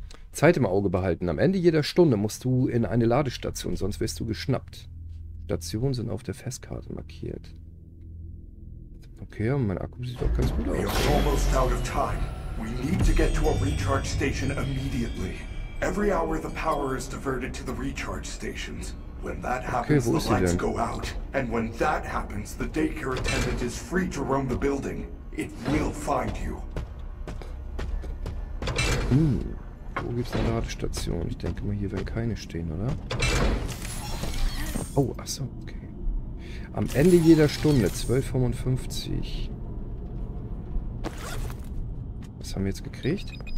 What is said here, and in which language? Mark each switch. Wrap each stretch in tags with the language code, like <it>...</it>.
<de>Zeit im Auge behalten. Am Ende jeder Stunde musst du in eine Ladestation, sonst wirst du geschnappt. Stationen sind auf der Festkarte markiert. Okay, mein Akku sieht auch ganz gut aus. Wir sind fast</de> <en>out of time. We need to get to a recharge station immediately. Every hour the power is diverted to the recharge stations. When that happens, okay, the lights go out. And when that happens, the daycare attendant is free to roam the building. It will find you.</en> <de>Wo gibt's eine Ladestation? Ich denke mal, hier werden keine stehen, oder? Oh, achso, okay. Am Ende jeder Stunde, 12:55. Was haben wir jetzt gekriegt?</de>